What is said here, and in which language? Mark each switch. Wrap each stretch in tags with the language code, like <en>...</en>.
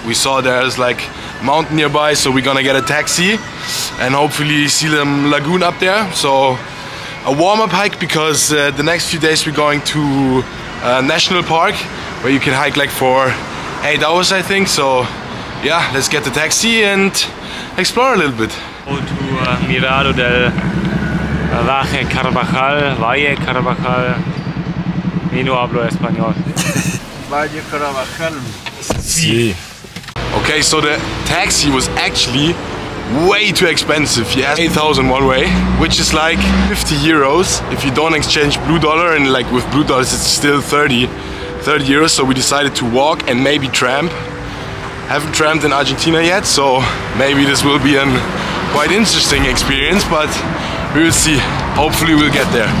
<en>We saw there's like a mountain nearby, so we're gonna get a taxi and hopefully see the lagoon up there. So a warm-up hike, because the next few days we're going to a national park where you can hike like for 8 hours, I think. So yeah, let's get the taxi and explore a little bit. Go to</en> <es>Mirado del Valle Carvajal, Valle Carvajal, y no hablo español. Valle Carvajal. Sí.</es> <en>Okay, so the taxi was actually way too expensive. Yes, 8,000 one way, which is like 50 euros if you don't exchange blue dollar, and like with blue dollars it's still 30 euros. So we decided to walk and maybe tramp. Haven't tramped in Argentina yet, so maybe this will be an quite interesting experience, but we will see. Hopefully we'll get there.</en>